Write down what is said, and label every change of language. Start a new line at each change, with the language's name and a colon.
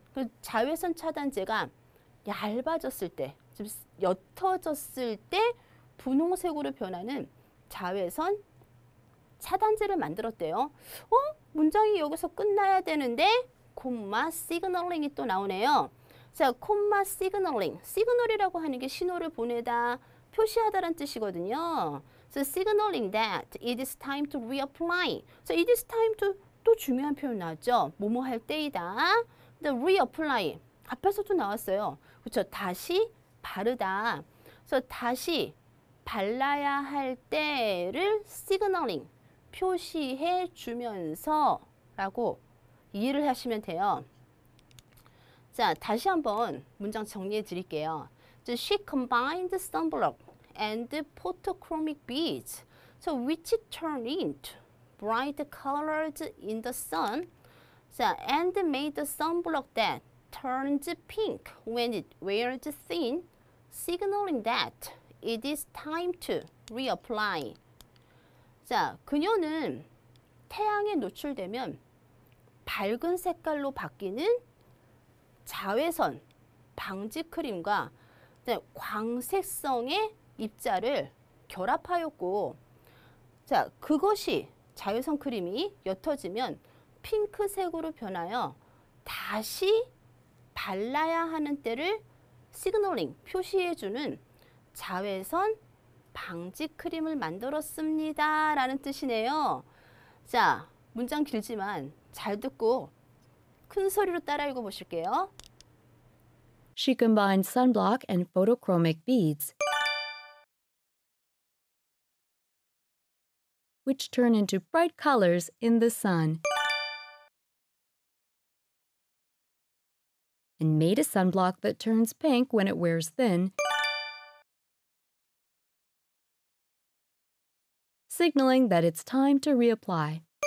Korean: 그 자외선 차단제가 얇아졌을 때, 좀 옅어졌을 때 분홍색으로 변하는 자외선 차단제를 만들었대요. 문장이 여기서 끝나야 되는데 콤마 시그널링이 또 나오네요. 자, 콤마 시그널링. 시그널이라고 하는 게 신호를 보내다, 표시하다라는 뜻이거든요.
English: So signaling that it is time to reapply. So it is time to,
Korean: 또 중요한 표현 나왔죠. 뭐뭐 할 때이다.
English: The reapply.
Korean: 앞에서도 나왔어요. 그렇죠. 다시 바르다. So 다시 발라야 할 때를 signaling. 표시해 주면서 라고 이해를 하시면 돼요. 자, 다시 한번 문장 정리해 드릴게요.
English: So she combined sunblock and photochromic beads. So which turned into bright colors in the sun. So and made a sunblock that turns pink when it wears thin, signaling that it is time to reapply.
Korean: 자, 그녀는 태양에 노출되면 밝은 색깔로 바뀌는 자외선 방지 크림과 광색성의 입자를 결합하였고, 자, 그것이 자외선 크림이 옅어지면 핑크색으로 변하여 다시 발라야 하는 때를 시그널링, 표시해주는 자외선 방지 크림을 만들었습니다 라는 뜻이네요. 자, 문장 길지만 잘 듣고 큰 소리로 따라 읽어 보실게요.
English: She combined sunblock and photochromic beads, which turn into bright colors in the sun, and made a sunblock that turns pink when it wears thin, signaling that it's time to reapply.